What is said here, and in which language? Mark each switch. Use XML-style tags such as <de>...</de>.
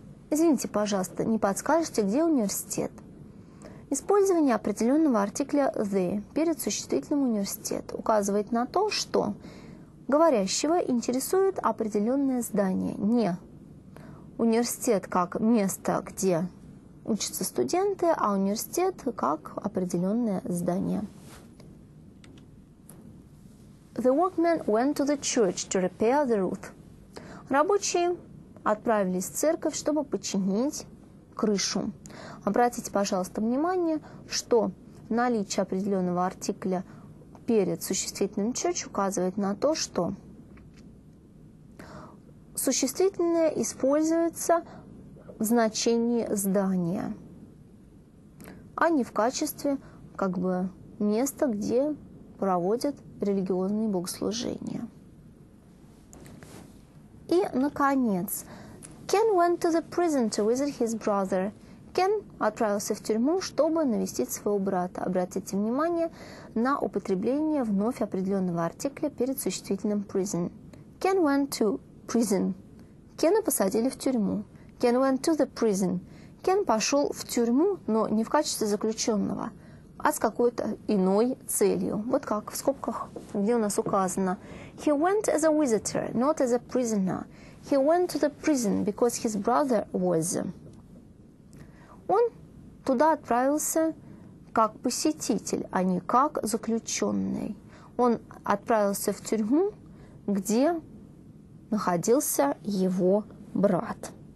<ru>Извините, пожалуйста, не подскажете, где университет? Использование определенного артикля the перед существительным университет указывает на то, что Говорящего интересует определенное здание, не университет как место, где учатся студенты, а университет как определенное здание.</ru> <en>The workmen went to the church to repair the roof.</en> <ru>Рабочие отправились в церковь, чтобы починить крышу. Обратите, пожалуйста, внимание, что наличие определенного артикля перед существительным church указывает на то, что существительное используется в значении здания, а не в качестве как бы места, где проводят религиозные богослужения. И, наконец,</ru> <en>Ken went to the prison to visit his brother.</en> <ru>Ken отправился в тюрьму, чтобы навестить своего брата. Обратите внимание на употребление вновь определенного артикля перед существительным prison.</ru> <en>Ken went to prison.</en> <ru>Кена посадили в тюрьму.</ru> <en>Ken went to the prison.</en> <ru>Кен пошел в тюрьму, но не в качестве заключенного, а с какой-то иной целью. Вот как в скобках, где у нас указано.</ru> <en>He went as a visitor, not as a prisoner. He went to the prison because his brother was.</en> <ru>Он туда отправился как посетитель, а не как заключенный. Он отправился в тюрьму, где находился его брат.</ru>